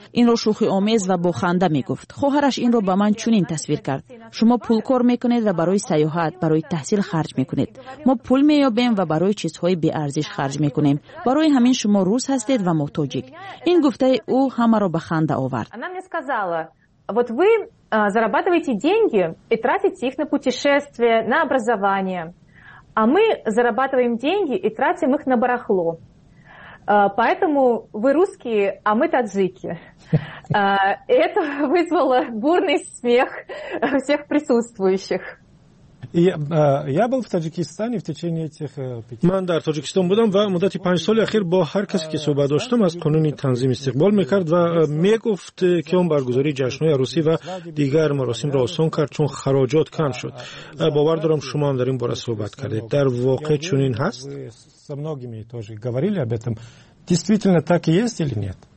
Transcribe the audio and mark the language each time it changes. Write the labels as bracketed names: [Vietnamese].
[Persian] این را شوخی آمیز و بخنده می گفت. خواهرش این را به من چنین تصویر کرد. شما پول کار می کنید و برای سیاحت، برای تحصیل خرج می کنید. ما پول می یابیم و برای چیزهای بی ارزش خرج می کنیم. برای همین شما روس هستید و ما تاجیک. این گفته او همه را به خنده آورد. [Russian] Она мне сказала: вот вы зарабатываете деньги и тратите их на путешествия, на образование. А мы зарабатываем деньги и тратим их на барахло. Поэтому вы русские, а мы таджики. Это вызвало бурный смех всех присутствующих. Я был в Таджикистане в течение этих 5 [Tajik] лет. Ман дар Таджикистан будам ва муддати 5 соли ахир бо ҳар касе ки суҳбат доштам аз қонуни танзим истиқбол мекард ва мегуфт ки он баргузори ҷашнҳои арусӣ ва дигар маросимро осон кард чун хароҷот кам шуд. Бовар дорам шумо ҳам дар ин бора суҳбат кардед. Дар воқеъ чунин ҳаст? [Russian] Со многими тоже говорили об этом. Действительно так и есть или нет?